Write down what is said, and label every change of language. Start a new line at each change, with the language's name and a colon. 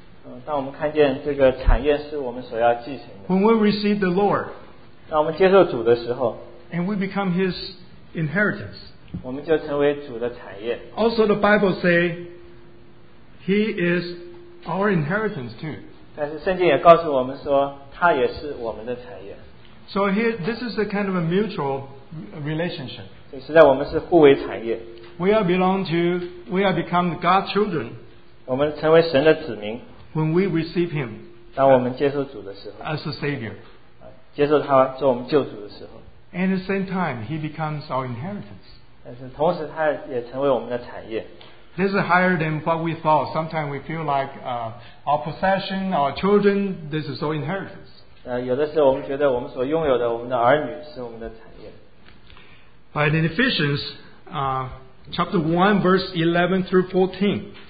English: When we receive the Lord, and we become His inheritance. Also, the Bible says He is our inheritance too.
Chinese: 但是圣经也告诉我们说, 祂也是我们的产业。
English: So here, this is a kind of a mutual relationship.
Chinese: 实在我们是互为产业。
English: We are become God's children.
Chinese: 我们成为神的子民。
English: When we receive Him.
Chinese: 当我们接受主的时候,
English: as a Savior.
Chinese: 接受祂做我们救主的时候。
English: And at the same time, He becomes our inheritance.
Chinese: 但是同时祂也成为我们的产业。
English: This is higher than what we thought. Sometimes we feel like our possession, our children, this is our inheritance. But in Ephesians chapter 1, verse 11 through 14,